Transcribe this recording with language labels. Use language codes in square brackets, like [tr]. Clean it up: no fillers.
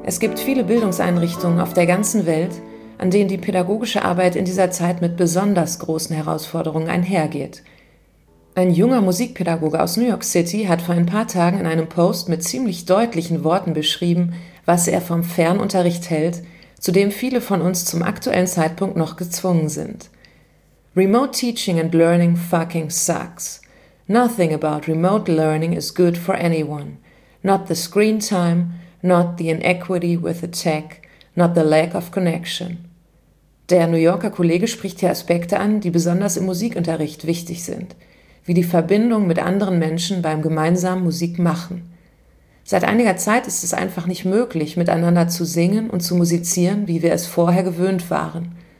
[de] Es gibt viele Bildungseinrichtungen auf der ganzen Welt, an denen die pädagogische Arbeit in dieser Zeit mit besonders großen Herausforderungen einhergeht. Ein junger Musikpädagoge aus New York City hat vor ein paar Tagen in einem Post mit ziemlich deutlichen Worten beschrieben, was er vom Fernunterricht hält, zu dem viele von uns zum aktuellen Zeitpunkt noch gezwungen sind. [en] Remote teaching and learning fucking sucks. Nothing about remote learning is good for anyone. Not the screen time, not the inequity with the tech, not the lack of connection. [de] Der New Yorker Kollege spricht hier Aspekte an, die besonders im Musikunterricht wichtig sind, wie die Verbindung mit anderen Menschen beim gemeinsamen Musikmachen. Seit einiger Zeit ist es einfach nicht möglich, miteinander zu singen und zu musizieren, wie wir es vorher gewöhnt waren.